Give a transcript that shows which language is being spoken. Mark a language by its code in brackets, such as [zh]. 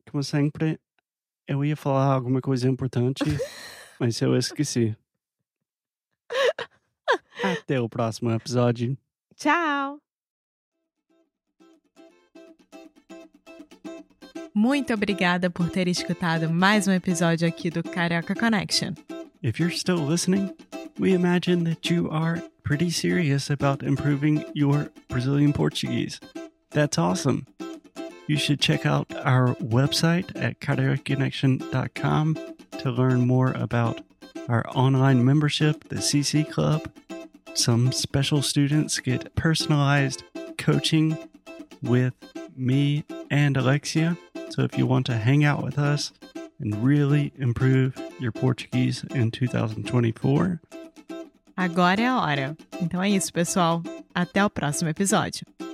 [pt] Como sempre, eu ia falar alguma coisa importante, mas eu esqueci. Até o próximo episódio. Tchau! Muito obrigada por ter escutado mais um episódio aqui do Carioca Connection. [en] If you're still listening, we imagine that you are pretty serious about improving your Brazilian Portuguese. That's awesome! You should check out our website at cariocaconnection.com to learn more about our online membership, the CC Club. Some special students get personalized coaching with me and Alexia. So if you want to hang out with us and really improve your Portuguese in 2024. [pt] Agora é a hora. Então é isso, pessoal. Até o próximo episódio.